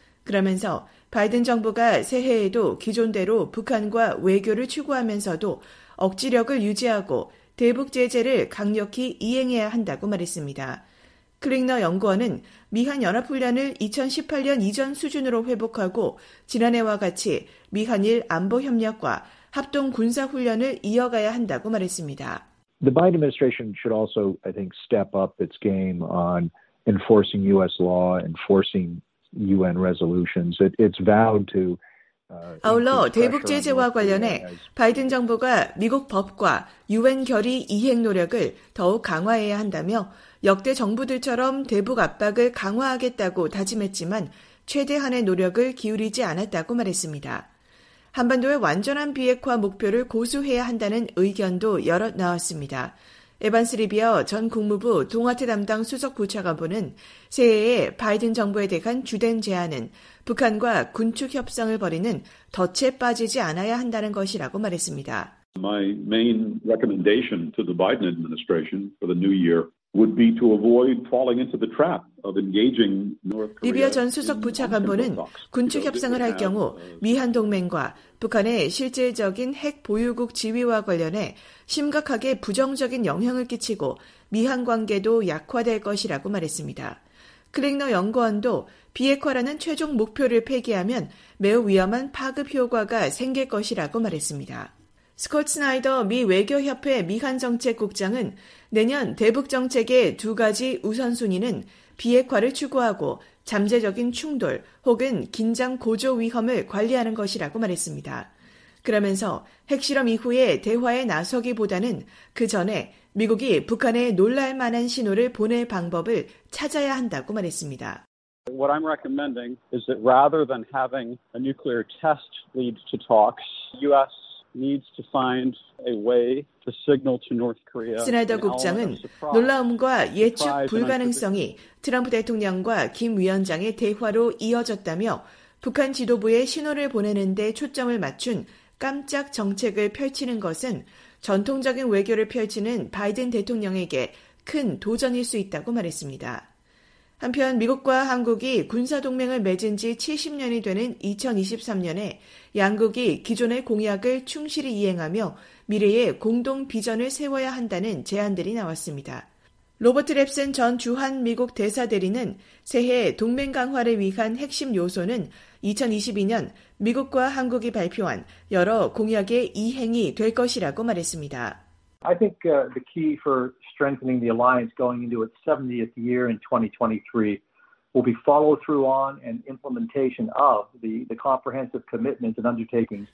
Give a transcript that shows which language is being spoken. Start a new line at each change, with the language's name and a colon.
Korean: 그러면서 바이든 정부가 새해에도 기존대로 북한과 외교를 추구하면서도 억지력을 유지하고 대북 제재를 강력히 이행해야 한다고 말했습니다. 클릭너 연구원은 미한 연합훈련을 2018년 이전 수준으로 회복하고 지난해와 같이 미한일 안보협력과 합동 군사훈련을 이어가야 한다고 말했습니다.
English: The Biden administration should also, I think, step up its game on enforcing U.S. law, enforcing UN resolutions. It's vowed to.
Korean: 아울러 대북 제재와 관련해 바이든 정부가 미국 법과 유엔 결의 이행 노력을 더욱 강화해야 한다며 역대 정부들처럼 대북 압박을 강화하겠다고 다짐했지만 최대한의 노력을 기울이지 않았다고 말했습니다. 한반도의 완전한 비핵화 목표를 고수해야 한다는 의견도 여럿 나왔습니다. 에반스 리비어 전 국무부 동아태 담당 수석 부차관보는 새해에 바이든 정부에 대한 주된 제안은 북한과 군축 협상을 벌이는 덫에 빠지지 않아야 한다는 것이라고 말했습니다.
English: My main recommendation to the Biden administration for the new year would be to avoid falling into the trap of engaging North Korea.
Korean: 리비어 전 수석 부차관보는 군축 협상을 할 경우 미한 동맹과 북한의 실질적인 핵 보유국 지위와 관련해 심각하게 부정적인 영향을 끼치고 미한 관계도 약화될 것이라고 말했습니다. 클릭너 연구원도 비핵화라는 최종 목표를 폐기하면 매우 위험한 파급 효과가 생길 것이라고 말했습니다. 스콧 스나이더 미 외교협회 미한정책국장은 내년 대북정책의 두 가지 우선순위는 비핵화를 추구하고 잠재적인 충돌 혹은 긴장 고조 위험을 관리하는 것이라고 말했습니다. 그러면서 핵실험 이후에 대화에 나서기보다는 그 전에 미국이 북한에 놀랄 만한 신호를 보낼 방법을 찾아야 한다고 말했습니다.
English: What I'm recommending is that rather than having a nuclear test lead to talks, U.S. needs to find a way to signal to North Korea.
Korean: 스나이더 국장은 놀라움과 예측 불가능성이 트럼프 대통령과 김 위원장의 대화로 이어졌다며 북한 지도부에 신호를 보내는 데 초점을 맞춘 깜짝 정책을 펼치는 것은 전통적인 외교를 펼치는 바이든 대통령에게 큰 도전일 수 있다고 말했습니다. 한편 미국과 한국이 군사동맹을 맺은 지 70년이 되는 2023년에 양국이 기존의 공약을 충실히 이행하며 미래의 공동 비전을 세워야 한다는 제안들이 나왔습니다. 로버트 랩슨 전 주한미국 대사대리는 새해 동맹 강화를 위한 핵심 요소는 2022년 미국과 한국이 발표한 여러 공약의 이행이 될 것이라고 말했습니다.
English: I think the key for strengthening the alliance going into its 70th year in 2023 will be follow through on and implementation of the comprehensive commitments and undertakings.